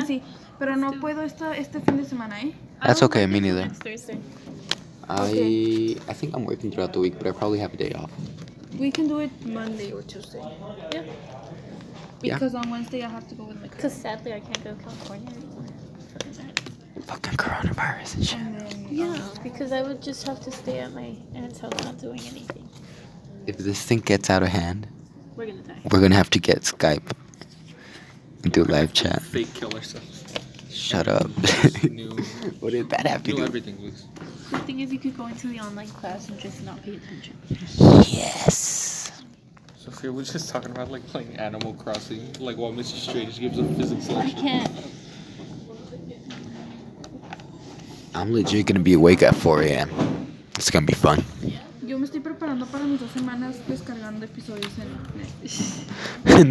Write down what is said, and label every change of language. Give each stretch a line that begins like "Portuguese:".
Spanish: Sí, pero no puedo este fin de semana, ¿eh?
English: That's okay, me neither. It's Thursday. I think I'm working throughout the week, but I probably have a day off. We can do it Monday or Tuesday. Yeah. Because on Wednesday I have to go with my cousin. Because sadly I can't go to California anymore. Fucking coronavirus and shit. Yeah, because I would just have to stay at my aunt's house not doing anything. If this thing gets out of hand, we're going to die. We're going to have to get Skype. Do live chat. Fake killer stuff. Shut up. What did that have to do? Everything, the thing is, you could go into the online class and just not pay attention. Yes. Sophia, we're just talking about like playing Animal Crossing, like while Mrs. Strange gives a physics lecture. I can't. I'm legit gonna be awake at 4 a.m. It's gonna be fun.
Spanish: Yo me estoy preparando para mis 2 semanas descargando episodios en